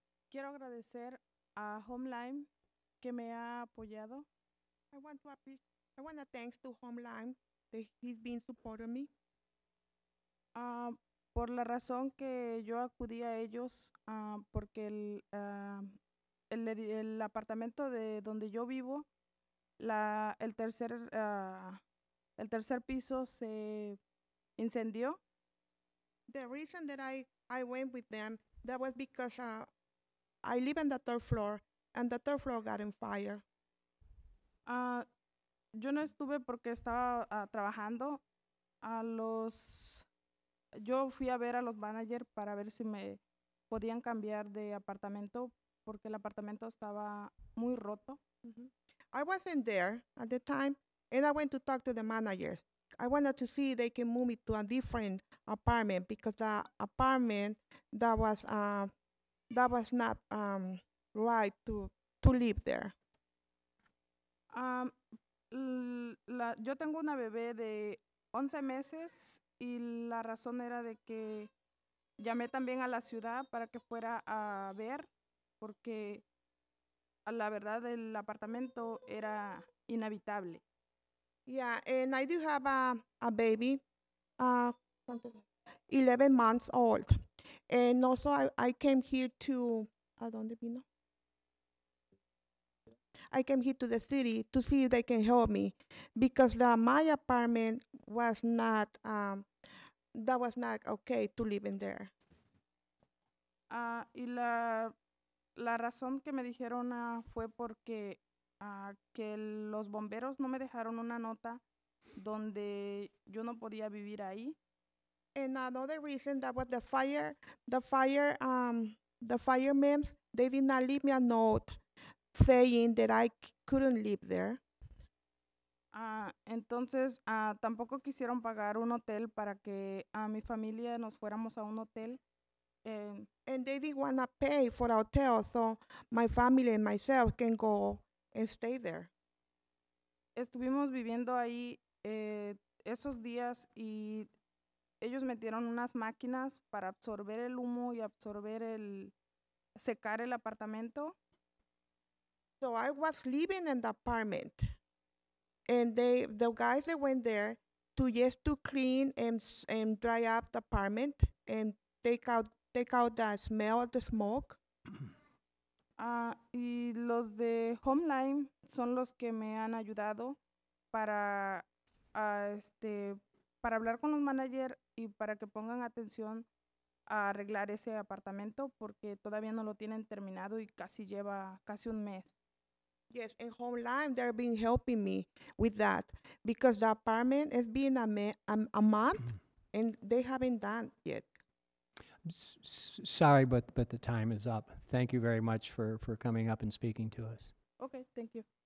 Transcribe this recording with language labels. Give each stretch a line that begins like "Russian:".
Spanish: Quiero agradecer a Homeline que me ha apoyado.
English: I want to thank to Homeline that he's been supporting me.
Spanish: Por la razón que yo acudí a ellos, porque el apartamento de donde yo vivo, el tercer piso se incendió.
English: The reason that I went with them, that was because I live on the third floor, and the third floor got in fire.
Spanish: Yo no estuve porque estaba trabajando. Yo fui a ver a los managers para ver si me podían cambiar de apartamento porque el apartamento estaba muy roto. Mm-hmm.
English: I wasn't there at the time, and I went to talk to the managers. I wanted to see if they can move me to a different apartment because the apartment that was not right to live there.
Spanish: Yo tengo una bebé de 11 meses y la razón era de que llamé también a la ciudad para que fuera a ver porque la verdad el apartamento era inhabitable.
English: Yeah, and I do have a baby, 11 months old. And also, I came here to, I came here to the city to see if they can help me, because my apartment was not, that was not okay to live in there.
Spanish: Y la razón que me dijeron fue porque que los bomberos no me dejaron una nota donde yo no podía vivir ahí.
English: And another reason that was the firemen, they did not leave me a note saying that I couldn't live there.
Spanish: Entonces, tampoco quisieron pagar un hotel para que mi familia nos fuéramos a un hotel.
English: And they didn't want to pay for a hotel so my family and myself can go and stay there.
Spanish: Estuvimos viviendo ahí esos días y... Ellos metieron unas máquinas para absorber el humo y absorber el secar el apartamento.
English: So I was living in the apartment, and the guys that went there to clean and dry up the apartment and take out the smell of the smoke.
Spanish: Y los de Homeline son los que me han ayudado para hablar con los managers y para que pongan atención a arreglar ese apartamento porque todavía no lo tienen terminado y casi lleva casi un mes.
English: Yes, in Homeline they've been helping me with that because the apartment has been a month and they haven't done yet. Sorry, but the time is up. Thank you very much for coming up and speaking to us. Okay, thank you.